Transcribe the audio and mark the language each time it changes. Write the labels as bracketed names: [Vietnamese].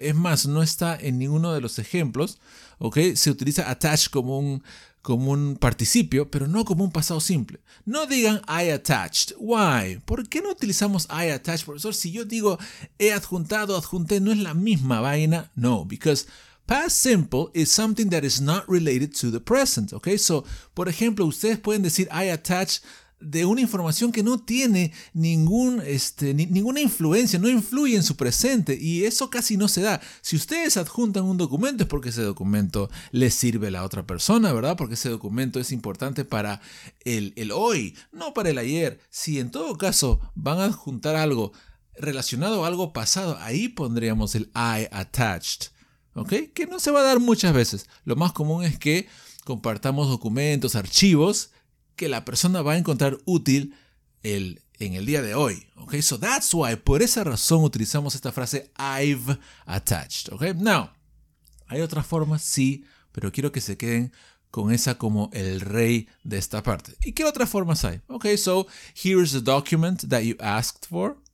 [Spanish] Es más, no está en ninguno de los ejemplos, ¿okay? Se utiliza attach como un participio, pero no como un pasado simple. [English] No digan I attached. [Spanish] Why? ¿Por qué no utilizamos I attached, profesor? Si yo digo he adjuntado, adjunté, ¿no es la misma vaina? [English] No, because past simple is something that is not related to the present, ¿okay? [Spanish] So, por ejemplo, ustedes pueden decir I attached de una información que no tiene ninguna influencia, no influye en su presente. Y eso casi no se da. Si ustedes adjuntan un documento es porque ese documento le sirve a la otra persona, ¿verdad? Porque ese documento es importante para el hoy, no para el ayer. Si en todo caso van a adjuntar algo relacionado a algo pasado, ahí pondríamos el I attached, ¿ok? Que no se va a dar muchas veces. Lo más común es que compartamos documentos, archivos que la persona va a encontrar útil en el día de hoy. Okay? [English] So that's why, [Spanish] por esa razón, utilizamos esta frase I've attached. Okay? Now, ¿hay otra forma? Sí, pero quiero que se queden con esa como el rey de esta parte. ¿Y qué otras formas hay? [English] Okay, so here's the document that you asked for.